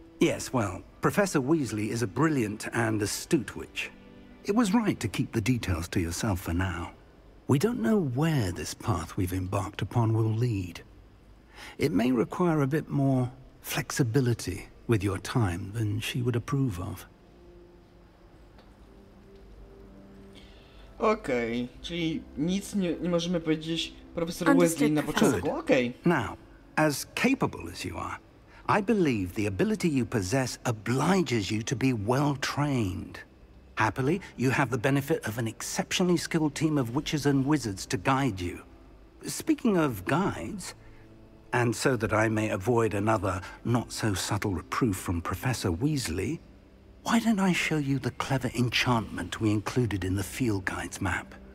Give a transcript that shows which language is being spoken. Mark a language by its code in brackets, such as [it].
[en] Yes, well, Professor Weasley is a brilliant and astute witch. It was right to keep the details to yourself for now. We don't know where this path we've embarked upon will lead. It may require a bit more flexibility with your time than she would approve of. [pl] Okay, czyli nic nie możemy powiedzieć Profesor Weasley na początku. [en] Okay. Now, as capable as you are, I believe the ability you possess obliges you to be well-trained. Happily, you have the benefit of an exceptionally skilled team of witches and wizards to guide you. Speaking of guides, and so that I may avoid another not-so-subtle reproof from Professor Weasley, why don't I show you the clever enchantment we included in the field guide's map?